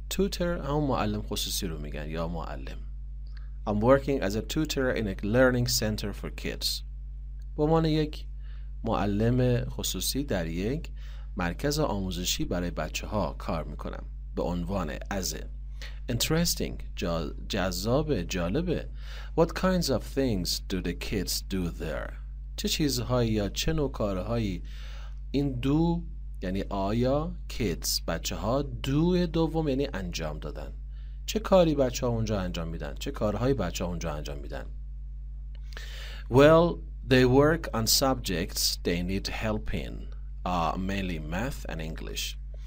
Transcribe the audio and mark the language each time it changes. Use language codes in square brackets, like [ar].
[en] Tutor [fa] هم معلم خصوصی رو میگن یا معلم. [en] I'm working as a tutor in a learning center for kids. [fa] به عنوان یک معلم خصوصی در یک مرکز آموزشی برای بچه ها کار میکنم. به عنوان [en] as a. Interesting. [fa] جذابه. جالبه. [en] What kinds of things do the kids do there? [fa] چه چیزهایی یا چه نوع کارهایی این دو یعنی آیا kids بچه ها دو دوم یعنی انجام دادن؟ چه کاری بچه ها اونجا انجام میدن؟ چه کارهایی بچه ها اونجا انجام میدن؟ [en] Well, they work on subjects they need help in, mainly math and English.